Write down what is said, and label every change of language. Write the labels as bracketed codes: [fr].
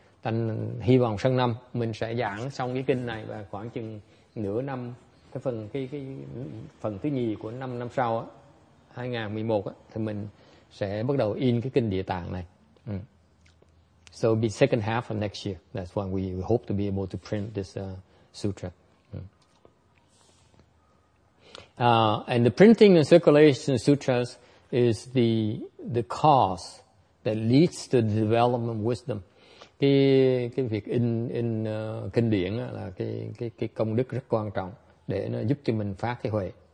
[vi] Thành hy vọng sang năm mình sẽ giảng xong cái kinh này, và khoảng chừng nửa năm, cái phần thứ nhì của năm sau á, 2011 á, thì mình sẽ bắt đầu in cái kinh Địa Tạng này. [en] So it'll be second half of next year. That's when we hope to be able to print this sutra. And the printing and circulation sutras is the cause that leads to the development of wisdom. [vi] Cái việc in kinh điển là cái công đức rất quan trọng để nó giúp cho mình phát cái huệ.